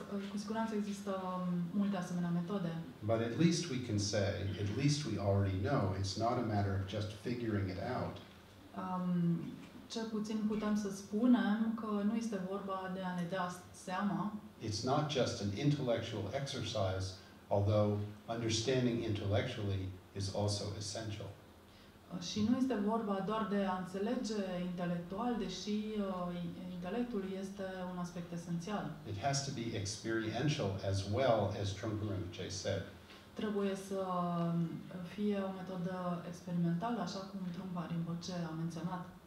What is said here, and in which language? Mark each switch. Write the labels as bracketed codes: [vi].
[ro] Cu siguranță există multe asemenea metode. [en] But at least we can say, at least we already know, it's not a matter of just figuring it out. [ro] Cel puțin putem să spunem că nu este vorba de a ne da seama. [en] It's not just an intellectual exercise, although understanding intellectually is also essential. [ro] Și nu este vorba doar de a înțelege intelectual, deși intelectul este un aspect esențial. [en] It has to be experiential as well, as Trungpa Rinpoche said. [ro] Trebuie să fie o metodă experimentală, așa cum Trungpa Rinpoche a menționat.